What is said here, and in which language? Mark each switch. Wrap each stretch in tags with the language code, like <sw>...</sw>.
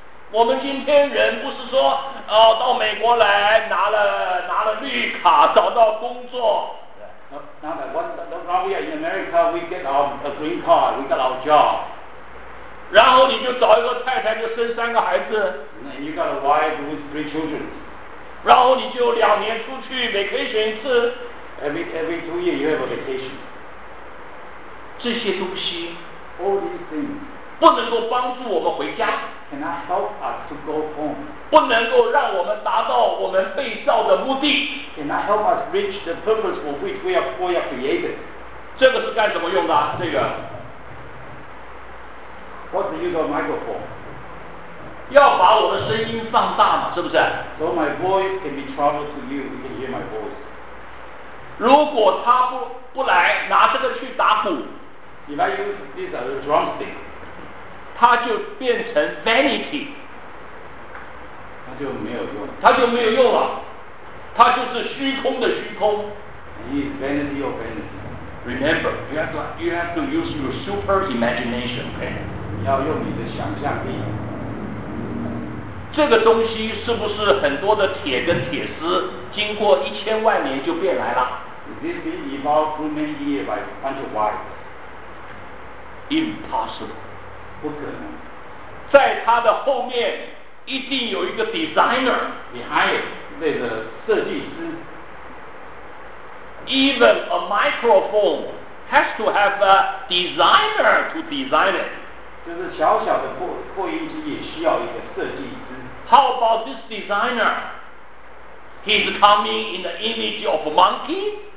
<zh>我们今天人不是说到美国来拿了绿卡找到工作。</zh> <en>Now we are in America, we get a green card, we got our job.</en> <zh>然后你就找一个太太，就生三个孩子。</zh> <en>And you got a wife with three children.</en> <zh>然后你就两年出去 vacation 一次。</zh> <en>Every 2 years you have a vacation.</en> <zh>这些东西</zh> <en>all these things</en> <zh>不能够帮助我们回家，</zh> <en>cannot help us to go home，</en> <zh>不能够让我们达到我们被造的目的，</zh> <en>cannot help us reach the purpose for which we are created。</en> <zh>这个是干什么用的？这个</zh> <en>What's the use of microphone？</en> <zh>要把我的声音放大嘛，是不是？</zh> <en>So my voice can be traveled to you, you can hear my voice.</en> <zh>如果他不来拿这个去打鼓，</zh> <en>If I use this as a drumstick,</en> <zh>他就变成 vanity，他就没有用，他就没有用了，他就是虚空的虚空。</zh> <en>He is vanity of vanity. Remember, you have to use your super imagination. Okay,</en> <zh>你要用你的想象力。这个东西是不是很多的铁跟铁丝经过一千万年就变来了？</zh> <en>Is this being evolved through many years by a bunch of wires? Impossible.</en> <zh>不可能。在它的后面一定有一个</zh> <en>designer behind it,</en> <zh>那个设计师。</zh> <en>Even a microphone has to have a designer to design it.</en> <zh>就是小小的扩音机也需要一个设计师。</zh> <en>How about this designer? He's coming in the image of a monkey?</en>